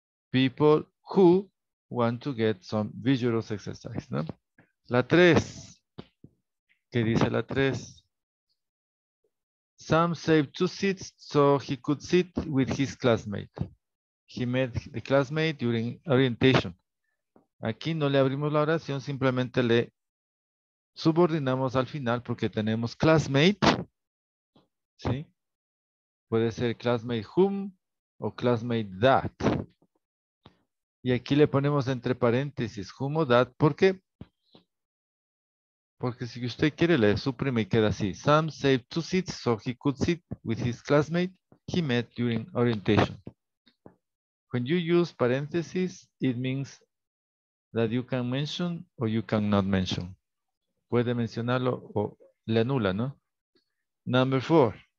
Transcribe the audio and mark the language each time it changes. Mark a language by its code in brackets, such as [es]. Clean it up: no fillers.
[en] People who want to get some vigorous exercise. [es] ¿No? La 3. ¿Qué dice la 3? [en] Sam saved 2 seats so he could sit with his classmate. He met the classmate during orientation. [es] Aquí no le abrimos la oración, simplemente le subordinamos al final porque tenemos classmate. ¿Sí? Puede ser classmate whom o classmate that. Y aquí le ponemos entre paréntesis whom o that porque... Porque si usted quiere, le suprime y queda así. [en] Sam saved 2 seats so he could sit with his classmate he met during orientation. When you use parentheses, it means that you can mention or you cannot mention. [es] Puede mencionarlo o le anula, ¿no? [en] Number 4.